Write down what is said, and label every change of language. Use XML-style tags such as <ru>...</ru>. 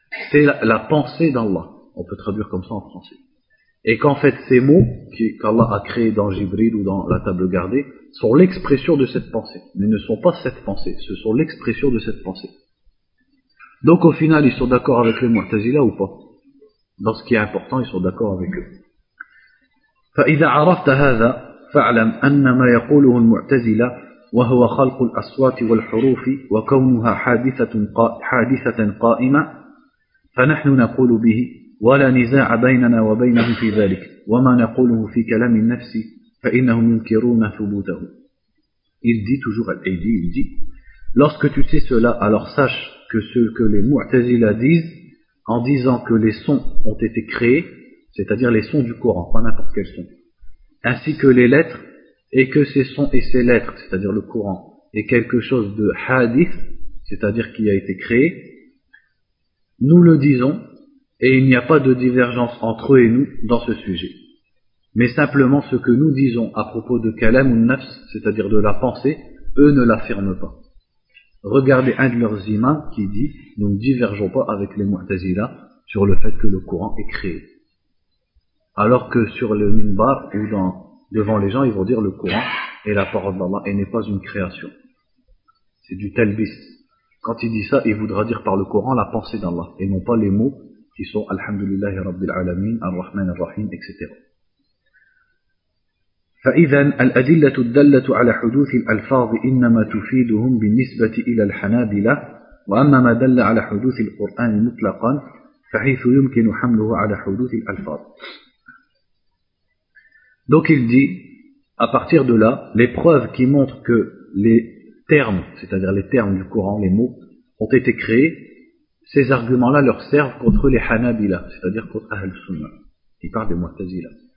<fr>C'est la pensée d'Allah. On peut traduire comme ça en français. Et qu'en fait, ces mots qu'Allah a créés dans Jibril ou dans la table gardée sont l'expression de cette pensée. Mais ne sont pas cette pensée. Ce sont l'expression de cette pensée. Donc au final, ils sont d'accord avec les Mu'tazila ou pas? Dans ce qui est important, ils sont d'accord avec eux.</fr> <ar>فَإِذَا عَرَفْتَ هَذَا فَعْلَمْ أَنَّ مَا يَقُولُهُ الْمُعْتَزِلَ وهو خلق الأصوات والحروف وكونها حادثة قائمة فنحن نقول به ولا نزاع بيننا وبينه في ذلك وما نقوله في كلام النفس فإنهم ينكرون ثبوته.</ar> <fr>Il dit toujours, Al-Aidi, il dit, lorsque tu sais cela, alors sache que ce que les Mu'tazila disent, en disant que les sons ont été créés, c'est-à-dire les sons du Coran, pas n'importe quel son, ainsi que les lettres, et que ces sons et ces lettres, c'est-à-dire le Coran, est quelque chose de hadith, c'est-à-dire qui a été créé, nous le disons, et il n'y a pas de divergence entre eux et nous dans ce sujet. Mais simplement ce que nous disons à propos de kalam ou nafs, c'est-à-dire de la pensée, eux ne l'affirment pas. Regardez un de leurs imams qui dit, nous ne divergeons pas avec les Mu'tazila sur le fait que le Coran est créé. Alors que sur le minbar ou dans... devant les gens, ils vont dire le Coran est la parole d'Allah et n'est pas une création. C'est du talbis. Quand il dit ça, il voudra dire par le Coran la pensée d'Allah et non pas les mots qui sont</fr> <ar>Alhamdulillahi Rabbil Alamin, Ar-Rahman Ar-Rahim,</ar> <fr>etc.</fr> <ar>فإذن الأدلة الدالة على حدوث الألفاظ إنما تفيدهم بالنسبة إلى الحنابلة وأما ما دل على حدوث القرآن مطلقا فحيث يمكن حمله على حدوث الألفاظ.</ar> <fr>Donc il dit, à partir de là, les preuves qui montrent que les termes, c'est-à-dire les termes du Coran, les mots, ont été créés, ces arguments-là leur servent contre les Hanabila, c'est-à-dire contre Ahl Sunnah. Il parle des Mu'tazila.</fr>